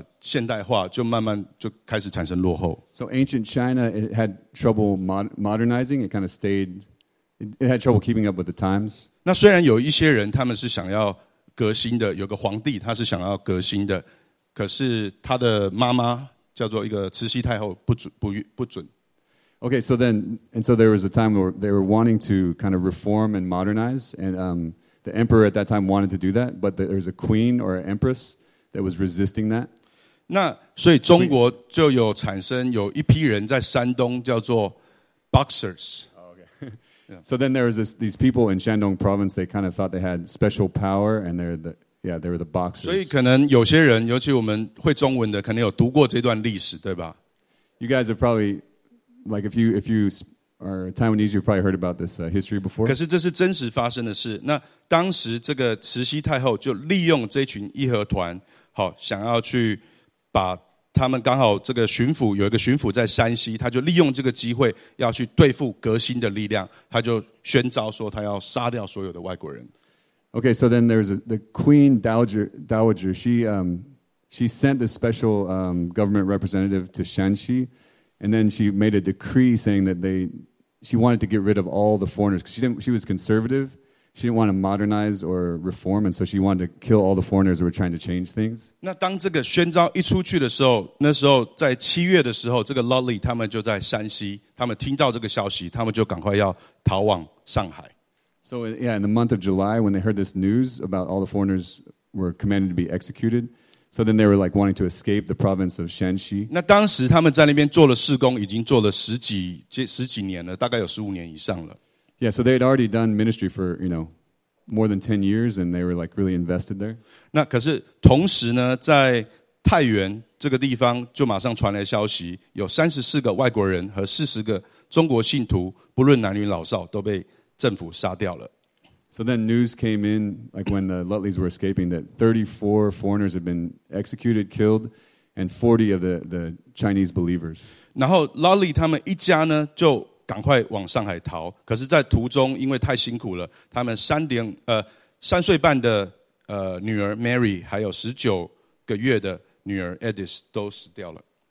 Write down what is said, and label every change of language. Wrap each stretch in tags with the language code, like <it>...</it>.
<zh>所以古老的中国它没有去现代化，就慢慢就开始产生落后。So</zh> <en>ancient China, it had trouble modernizing. It kind of stayed. It had trouble keeping up with the times.</en> <zh>那虽然有一些人他们是想要革新的，有个皇帝他是想要革新的。可是他的妈妈叫做一个慈禧太后，不准。Okay,</zh> <en>so then, and so there was a time where they were wanting to kind of reform and modernize, and the emperor at that time wanted to do that, but there was a queen or an empress that was resisting that.</en> <zh>那所以中国就有产生有一批人在山东叫做 Boxers。</zh> <en>So then there was this, these people in Shandong province, they kind of thought they had special power, and they're the, yeah, they were the boxers.</en> <zh>所以可能有些人，尤其我们会中文的，可能有读过这段历史，对吧？</zh> <en>You guys have probably, like if you are Taiwanese, you've probably heard about this history before.</en> <zh>可是这是真实发生的事。那当时这个慈禧太后就利用这群义和团，好，想要去把他们刚好这个巡抚有一个巡抚在山西，他就利用这个机会要去对付革新的力量，他就宣召说他要杀掉所有的外国人。</zh> <en>Okay, so then there's the Queen Dowager. She sent this special government representative to Shanxi, and then she made a decree saying that she wanted to get rid of all the foreigners because she was conservative. She didn't want to modernize or reform, and so she wanted to kill all the foreigners who were trying to change things.</en> <zh>那当这个宣召一出去的时候，那时候在七月的时候，这个 Lutley 他们就在山西，他们听到这个消息，他们就赶快要逃往上海。</zh> <en>So yeah, in the month of July, when they heard this news about all the foreigners were commanded to be executed, so then they were like wanting to escape the province of Shanxi.</en> <zh>那当时他们在那边做了事工，已经做了十几年了，大概有十五年以上了。</zh> <en>Yeah, so they had already done ministry for, you know, more than 10 years, and they were like really invested there.</en> <zh>那可是同时呢，在太原这个地方就马上传来消息，有34个外国人和40个中国信徒，不论男女老少，都被政府杀掉了。</zh> <en>So then news came in, like when the Lutleys were escaping, that 34 foreigners had been executed, killed, and 40 of the Chinese believers.</en> <zh>然后 Lutley 他们一家呢，就赶快往上海逃，可是在途中因为太辛苦了，他们三岁半的女儿 Mary 还有十九个月的女儿 Edith 都死掉了。</zh>